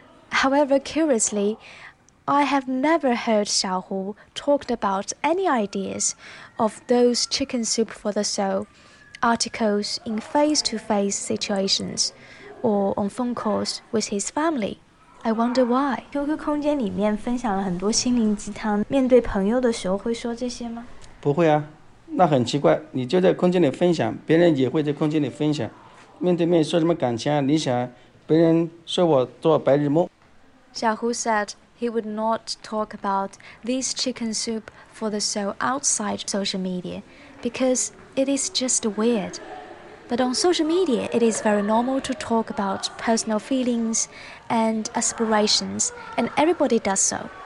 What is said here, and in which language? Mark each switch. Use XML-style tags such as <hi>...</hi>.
<en>However, curiously, I have never heard Xiao Hu talked about any ideas of those chicken soup for the soul articles in face-to-face situations or on phone calls with his family. I wonder why.</en> <zh>QQ 空间里面分享了很多心灵鸡汤，面对朋友的时候会说这些吗？不会啊，那很奇怪。你就在空间里分享，别人也会在空间里分享。面对面说什么感情啊、理想，别人说我做白日梦。Xiao</zh> <en>Hu said he would not talk about this chicken soup for the soul outside social media because it is just weird. But on social media, it is very normal to talk about personal feelings and aspirations, and everybody does so.</en>